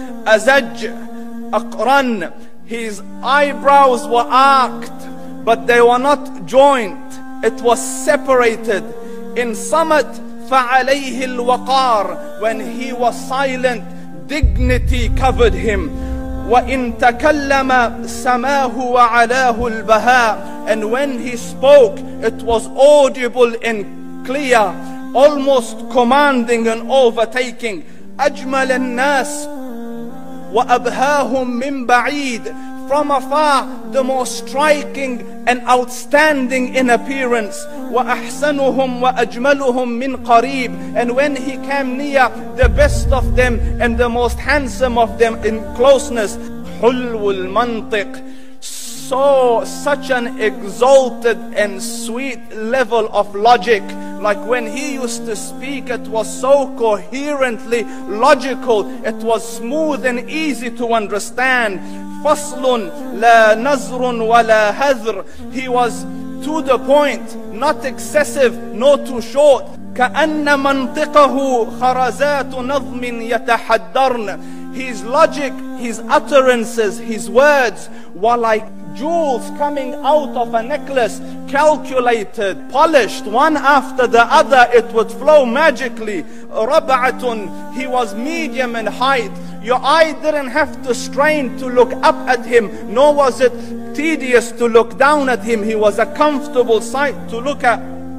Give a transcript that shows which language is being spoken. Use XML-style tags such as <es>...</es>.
<ar>أزج أقرن.</ar> <en>His eyebrows were arched, but they were not joined. It was separated.</en> <ar>In summit, فعليه الوقار.</ar> <en>When he was silent, dignity covered him.</en> <ar>وإن تكلم سماه وعلاه البهاء.</ar> <en>And when he spoke, it was audible and clear, almost commanding and overtaking.</en> <ar>أجمل الناس وأبهاهم من بعيد.</ar> <en>From afar, the most striking and outstanding in appearance.</en> <ar>وأحسنهم وأجملهم من قريب.</ar> <en>And when he came near, the best of them and the most handsome of them in closeness.</en> <ar>حلو المنطق.</ar> <en>So such an exalted and sweet level of logic. Like when he used to speak, it was so coherently logical. It was smooth and easy to understand.</en> <ar>فصل لا نزر ولا هذر.</ar> <en>He was to the point, not excessive, nor too short.</en> <ar>كأن منطقه خرزات نظم يتحدرن.</ar> <en>His logic, his utterances, his words were like jewels coming out of a necklace, calculated, polished, one after the other, it would flow magically. رَبَعَةٌ. He was medium in height. Your eye didn't have to strain to look up at him, nor was it tedious to look down at him. He was a comfortable sight to look at.</en>